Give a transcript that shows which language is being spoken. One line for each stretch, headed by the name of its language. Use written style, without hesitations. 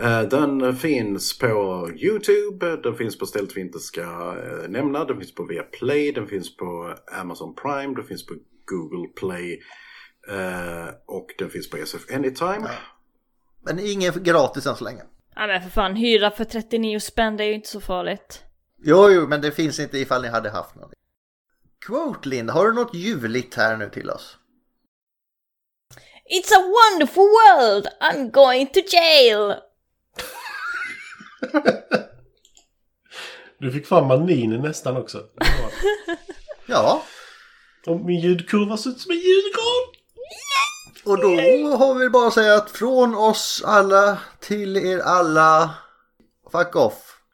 Swedish: Den finns på YouTube, den finns på ställt vi inte ska nämna, den finns på Viaplay, den finns på Amazon Prime, den finns på Google Play och den finns på SF Anytime. Men ingen gratis än så länge. Ja, men för fan, hyra för 39 spänn, det är ju inte så farligt. Jo, men det finns inte ifall ni hade haft något. Quote, Linda, har du något ljuvligt här nu till oss?
English: It's a wonderful world, I'm going to jail!
Swedish: Du fick fan maninen nästan också. Ja. Och min ljudkurva ser ut som en ljudkorn. Och då har vi bara att säga att från oss alla till er alla,
English: fuck off.